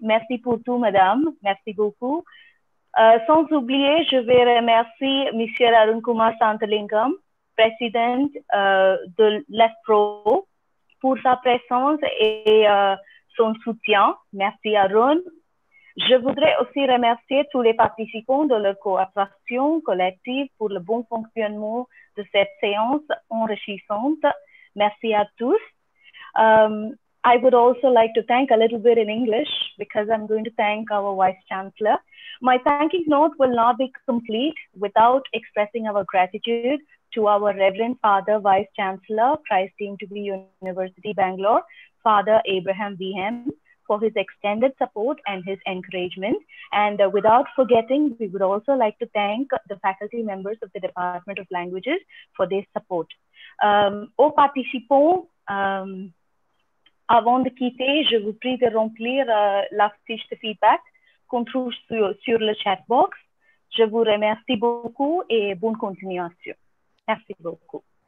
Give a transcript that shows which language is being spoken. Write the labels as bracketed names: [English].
[French] Merci pour tout, Madame. Merci beaucoup. Sans oublier, je vais remercier Monsieur Arun Kumar Santalingam, président de l'EFPRO, pour sa présence et son soutien. Merci, Arun. Je voudrais aussi remercier tous les participants de leur coopération collective pour le bon fonctionnement de cette séance enrichissante. Merci à tous. [English] I would also like to thank a little bit in English because I'm going to thank our Vice Chancellor. My thanking note will not be complete without expressing our gratitude to our Reverend Father Vice Chancellor, Christ Deemed University, Bangalore, Father Abraham Vihem, for his extended support and his encouragement. And without forgetting, we would also like to thank the faculty members of the Department of Languages for their support. [French] Aux participants, avant de quitter, je vous prie de remplir la fiche de feedback qu'on trouve sur le chat box. Je vous remercie beaucoup et bonne continuation. Merci beaucoup.